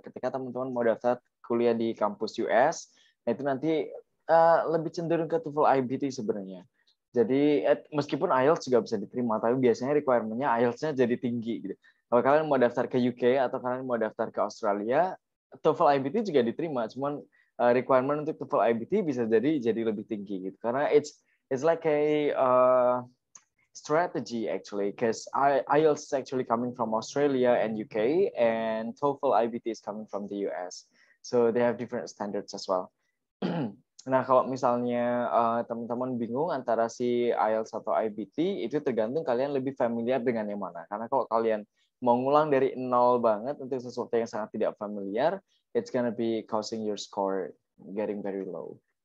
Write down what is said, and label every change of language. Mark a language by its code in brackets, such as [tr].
[id] Ketika teman-teman mau daftar kuliah di kampus US, itu nanti lebih cenderung ke TOEFL IBT sebenarnya. Jadi, meskipun IELTS juga bisa diterima, tapi biasanya requirement-nya IELTS-nya jadi tinggi gitu. Kalau kalian mau daftar ke UK atau kalian mau daftar ke Australia, TOEFL IBT juga diterima, cuman requirement untuk TOEFL IBT bisa jadi lebih tinggi gitu. [en] Karena it's like a strategy actually, because IELTS is actually coming from Australia and UK, and TOEFL IBT is coming from the US, so they have different standards as well. [id] Nah, kalau misalnya teman-teman bingung antara si IELTS atau IBT, itu tergantung kalian lebih familiar dengan yang mana. Karena kalau kalian mau ngulang dari nol banget untuk sesuatu yang sangat tidak familiar, [en] it's gonna be causing your score getting very low.